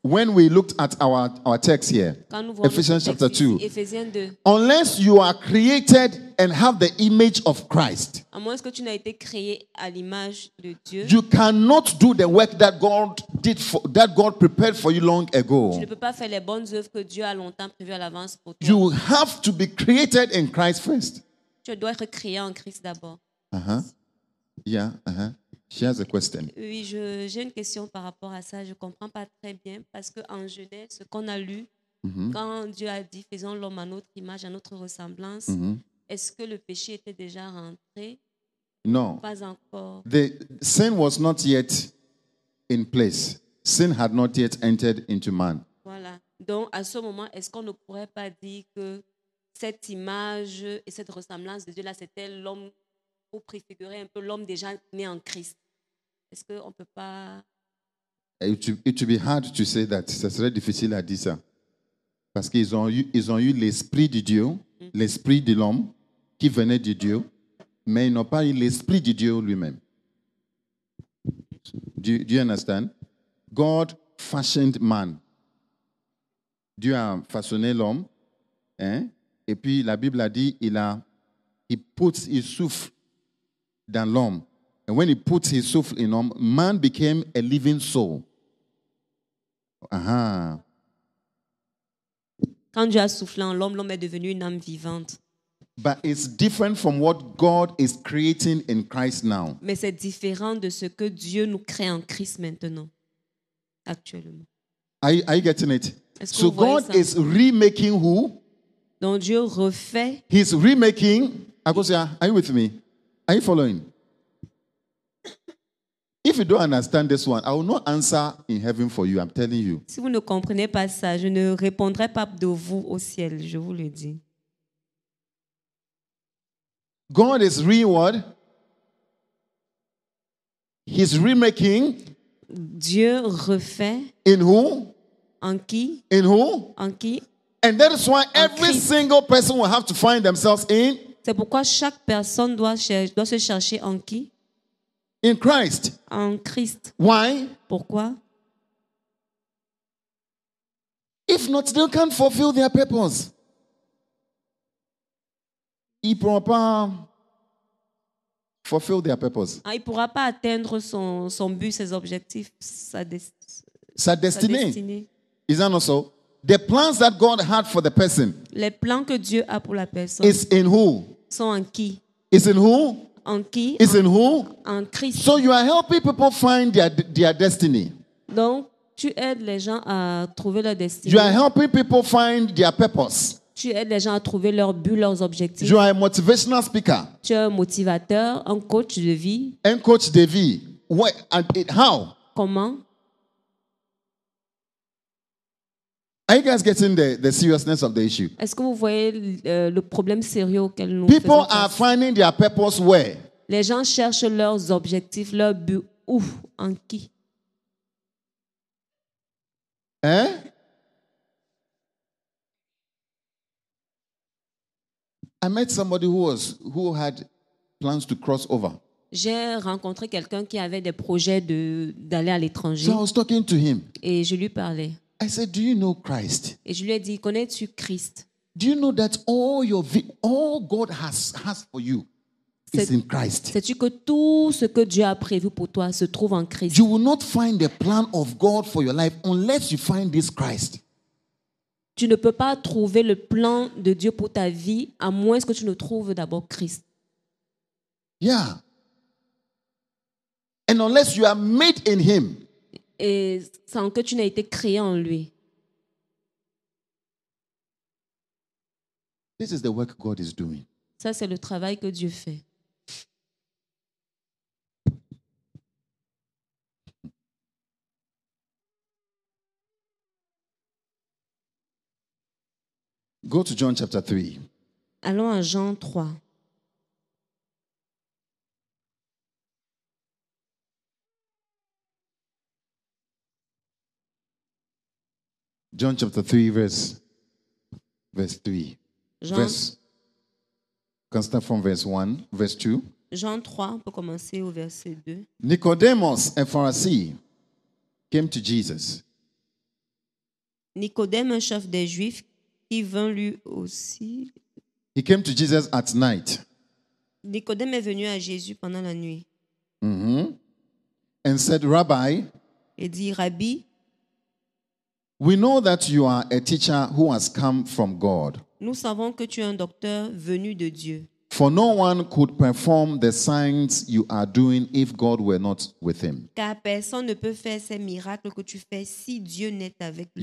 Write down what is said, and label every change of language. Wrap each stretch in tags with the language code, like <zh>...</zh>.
<en>When we looked at our text here, Ephesians chapter 2,</en> <fr>Ephésiens 2,</fr> <en>unless you are created and have the image of Christ,</en> <fr>à moins que tu n'aies été créé à l'image de Dieu,</fr> <en>you cannot do the work that God did for that God prepared for you long ago.</en> <fr>Tu ne peux pas faire les bonnes œuvres que Dieu a longtemps prévues à l'avance pour toi.</fr> <en>You have to be created in Christ first.</en> <fr>Tu dois être créé en Christ d'abord.</fr> <en>Uh-huh. Yeah, uh-huh. She has a question.</en> <fr>Oui, j'ai une question par rapport à ça. Je ne comprends pas très bien parce qu'en Genèse, ce qu'on a lu, mm-hmm. quand Dieu a dit, faisons l'homme à notre image, à notre ressemblance, mm-hmm. est-ce que le péché était déjà rentré? Non. Pas encore.</fr> <en>The sin was not yet in place. Sin had not yet entered into man.</en> <fr>Voilà. Donc, à ce moment, est-ce qu'on ne pourrait pas dire que cette image et cette ressemblance de Dieu-là, c'était l'homme pour préfigurer un peu l'homme déjà né en Christ. Est-ce qu'on ne peut pas...</fr> <en>It would be hard to say that.</en> <fr>Ce serait difficile à dire ça. Parce qu'ils ont eu l'esprit de Dieu, l'esprit de l'homme qui venait de Dieu, mais ils n'ont pas eu l'esprit de Dieu lui-même.</fr> <en>Do you understand? God fashioned man.</en> <fr>Dieu a façonné l'homme. Hein? Et puis la Bible a dit, il souffle than l'homme.</fr> <en>And when he puts his soul in him, man became a living soul. Uh-huh.</en> <fr>Quand Dieu a soufflé en l'homme, l'homme est devenu une âme vivante.</fr> <en>But it's different from what God is creating in Christ now.</en> <fr>Mais c'est différent de ce que Dieu nous crée en Christ maintenant, actuellement.</fr> <en>Are you getting it?</en> <fr>Est-ce</fr> <en>so God</en> <fr>ça?</fr> <en>Is remaking who?</en> <fr>Donc Dieu refait.</fr> <en>He's remaking. Agosia, are you with me? Are you following? If you don't understand this one, I will not answer in heaven for you. I'm telling you.</en> <fr>Si vous ne comprenez pas ça, je ne répondrai pas de vous au ciel. Je vous le dis.</fr> <en>God is reward. He's remaking.</en> <fr>Dieu refait.</fr> <en>In who?</en> <fr>En qui?</fr> <en>In who?</en> <fr>En qui?</fr> <en>And that is why en every qui? Single person will have to find themselves in.</en> <fr>C'est pourquoi chaque personne doit se chercher en qui?</fr> <en>In Christ.</en> <fr>En Christ.</fr> <en>Why?</en> <fr>Pourquoi?</fr> <en>If not, they can't fulfill their purpose.</en> <fr>Il ne pourra pas</fr> <en>fulfill their purpose.</en> <fr>Ah, il pourra pas atteindre son but, ses objectifs, sa destinée.</fr> <en>Is that not so? The plans that God had for the person.</en> <fr>Les plans que Dieu a pour la personne.</fr> <en>Is in who?</en> <fr>Sont en qui?</fr> <en>Is in who?</en> <fr>En qui?</fr> <en>Is in who?</en> <fr>En Christ.</fr> <en>So you are helping people find their destiny.</en> <fr>Donc tu aides les gens à trouver leur destinée.</fr> <en>You are helping people find their purpose.</en> <fr>Tu aides les gens à trouver leur but, leurs objectifs.</fr> <en>You are a motivational speaker.</en> <fr>Tu es un motivateur, un coach de vie. Un coach de vie.</fr> <en>What and it, how?</en> <fr>Comment?</fr> <en>Are you guys getting the seriousness of the issue?</en> <fr>Est-ce que vous voyez le problème sérieux auquel nous</fr> <en>people are finding their purpose where?</en> <fr>Les gens cherchent leurs objectifs, leurs buts où, en qui? Hein?</fr> <en>I met somebody who had plans to cross over.</en> <fr>J'ai rencontré quelqu'un qui avait des projets d'aller à l'étranger.</fr> <en>So I was talking to him.</en> <fr>Et je lui parlais.</fr> <en>I said, "Do you know Christ?"</en> <fr>Et je lui ai dit, connais-tu Christ?</fr> <en>Do you know that all God has for you is in Christ?</en> <fr>Sais-tu que tout ce que Dieu a prévu pour toi se trouve en Christ?</fr> <en>You will not find the plan of God for your life unless you find this Christ.</en> <fr>Tu ne peux pas trouver le plan de Dieu pour ta vie à moins que tu ne trouves d'abord Christ.</fr> <en>Yeah. And unless you are made in Him.</en> <fr>Et sans que tu n'aies été créé en lui.</fr> <en>This is the work God is doing.</en> <fr>Ça, c'est le travail que Dieu fait.</fr> <en>Go to John chapter 3.</en> <fr>Allons à Jean 3.</fr> <en>John chapter 3, verse 3. Constant from verse 1, verse 2.</en> <fr>Jean 3, on peut commencer au verset 2.</fr> <en>Nicodemus, a Pharisee, came to Jesus.</en> <fr>Nicodème, un chef des Juifs, qui vint lui aussi.</fr> <en>He came to Jesus at night.</en> <fr>Nicodème est venu à Jésus pendant la nuit.</fr> <en>Mm-hmm. And said, Rabbi.</en> <fr>Et dit, Rabbi.</fr> <en>We know that you are a teacher who has come from God.</en> <fr>Nous savons que tu es un docteur venu de Dieu.</fr> <en>For no one could perform the signs you are doing if God were not with him.</en> <fr>Car personne ne peut faire ces miracles que tu fais si Dieu n'est avec lui.</fr>